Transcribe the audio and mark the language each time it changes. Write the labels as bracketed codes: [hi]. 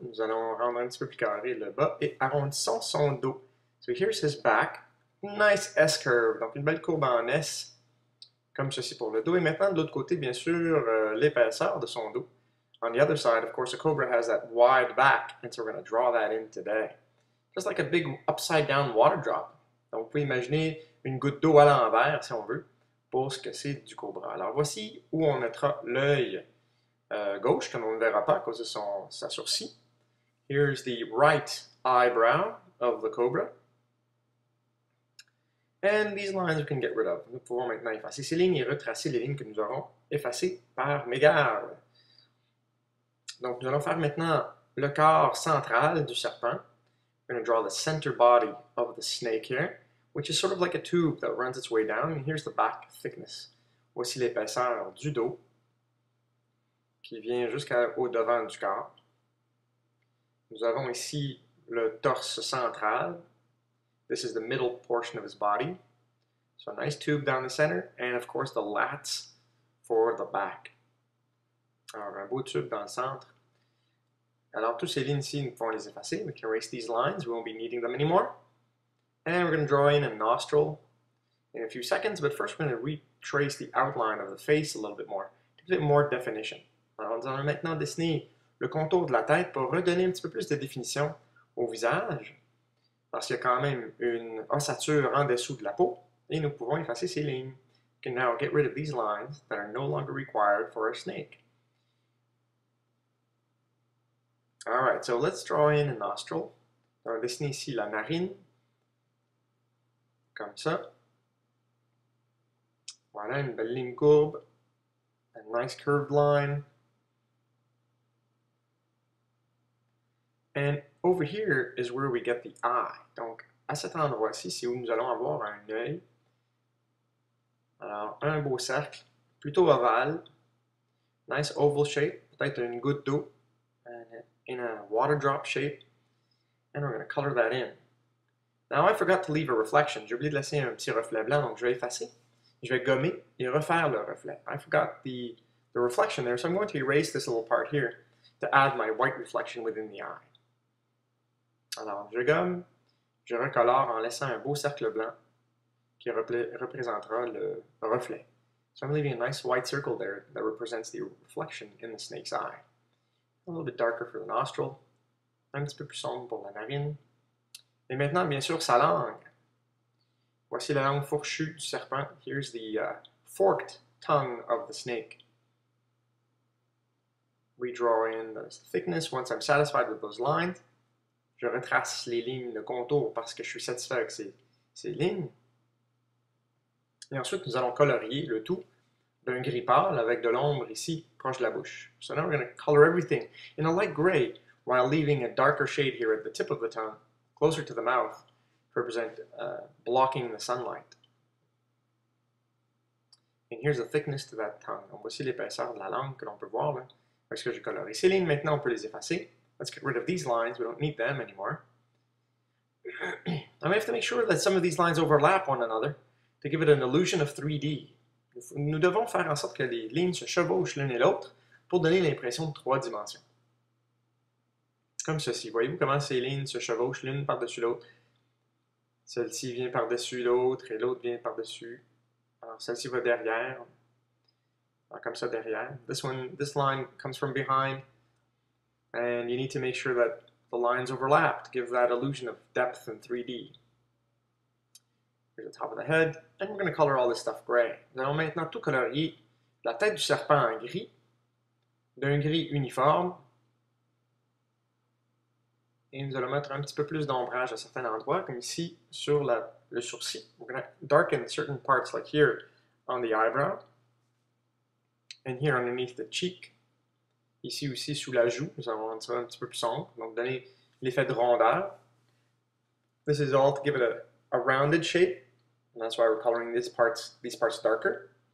[fr] Nous allons rendre un petit peu plus carré le bas et arrondissons son dos. [en] So here's his back. Nice S curve. [fr] Donc une belle courbe en S. Comme ceci pour le dos. Et maintenant de l'autre côté, bien sûr, l'épaisseur de son dos. [en] On the other side, of course, a cobra has that wide back, and so we're going to draw that in today. Just like a big upside-down water drop. [fr] Donc, vous pouvez imaginer une goutte d'eau à l'envers, si on veut, pour ce que c'est du cobra. Alors, voici où on mettra l'œil gauche, comme on ne le verra pas à cause de sa sourcil. [en] Here's the right eyebrow of the cobra. And these lines we can get rid of. [fr] Nous pouvons maintenant effacer ces lignes et retracer les lignes que nous aurons effacées par mégarde. Donc, nous allons faire maintenant le corps central du serpent. [en] We're going to draw the center body of the snake here, which is sort of like a tube that runs its way down. And here's the back thickness. [fr] Voici l'épaisseur du dos qui vient jusqu'au devant du corps. Nous avons ici le torse central. [en] This is the middle portion of his body. So a nice tube down the center. And of course, the lats for the back. [fr] Alors, un beau tube dans le centre. Alors, toutes ces lignes-ci, nous pouvons les effacer. [en] We can erase these lines. We won't be needing them anymore. And we're going to draw in a nostril in a few seconds. But first, we're going to retrace the outline of the face a little bit more. A bit more definition. [fr] Alors, nous allons maintenant dessiner le contour de la tête pour redonner un petit peu plus de définition au visage. Parce qu'il y a quand même une ossature en dessous de la peau. Et nous pouvons effacer ces lignes. [en] We can now get rid of these lines that are no longer required for a snake. All right, so let's draw in a nostril. [fr] On va dessiner ici la narine, comme ça. Voilà, une belle ligne courbe, [en] a nice curved line. And over here is where we get the eye. [fr] Donc, à cet endroit-ci, c'est où nous allons avoir un œil. Alors, un beau cercle, plutôt ovale, [en] nice oval shape, [fr] peut-être une goutte d'eau. [en] In a water drop shape, and we're going to color that in. Now I forgot to leave a reflection. [fr] J'ai oublié de laisser un petit reflet blanc, donc je vais effacer. Je vais gommer et refaire le reflet. [en] I forgot the reflection there, so I'm going to erase this little part here to add my white reflection within the eye. [fr] Alors, je gomme, je recolore en laissant un beau cercle blanc qui représentera le reflet. [en] So I'm leaving a nice white circle there that represents the reflection in the snake's eye. A little bit darker for the nostril. [fr] Un petit peu plus sombre pour la narine. Et maintenant, bien sûr, sa langue. Voici la langue fourchue du serpent. [en] Here's the forked tongue of the snake. We draw in the thickness. Once I'm satisfied with those lines, [fr] je retrace les lignes, le contour, parce que je suis satisfait avec ces lignes. Et ensuite, nous allons colorier le tout d'un gris pâle avec de l'ombre ici, proche de la bouche. [en] So now we're going to color everything in a light gray while leaving a darker shade here at the tip of the tongue, closer to the mouth, to represent blocking the sunlight. And here's the thickness to that tongue. [fr] Donc voici l'épaisseur de la langue que l'on peut voir là. Parce que j'ai coloré ces lignes, maintenant on peut les effacer. [en] Let's get rid of these lines, we don't need them anymore. Now we have to make sure that some of these lines overlap one another to give it an illusion of 3D. [fr] Nous devons faire en sorte que les lignes se chevauchent l'une et l'autre pour donner l'impression de trois dimensions. Comme ceci. Voyez-vous comment ces lignes se chevauchent l'une par-dessus l'autre? Celle-ci vient par-dessus l'autre et l'autre vient par-dessus. Alors, celle-ci va derrière. Alors, comme ça, derrière. [en] This line comes from behind. And you need to make sure that the lines overlap to give that illusion of depth in 3D. The top of the head, and we're going to color all this stuff gray. [fr] Nous allons maintenant tout colorier la tête du serpent en gris, d'un gris uniforme, et nous allons mettre un petit peu plus d'ombrage à certains endroits, comme ici sur le sourcil. [en] We're going to darken certain parts, like here on the eyebrow, and here underneath the cheek, [fr] Ici aussi, sous la joue, nous avons un petit peu plus sombre. Donc, donner l'effet de rondeur. [en] This is all to give it a rounded shape. And that's why we're coloring these parts darker.